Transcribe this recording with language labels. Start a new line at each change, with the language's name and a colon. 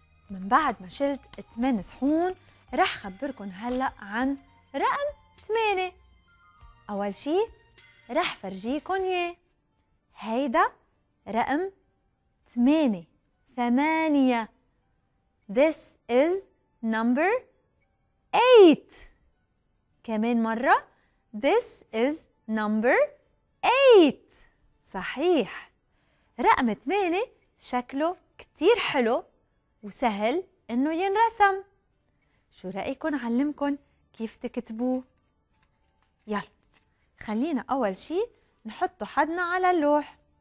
Arabic: من بعد ما شلت 8 صحون رح خبركن هلأ عن رقم 8. أول شي رح فرجيكن ياه، هيدا رقم 8 8.
English: This is number 8.
Arabic: كمان مرة،
English: This is number 8.
Arabic: صحيح، رقم 8 شكله كتير حلو وسهل انه ينرسم. شو رأيكن علمكن كيف تكتبوه؟ يلا خلينا اول شي نحط حدنا على اللوح.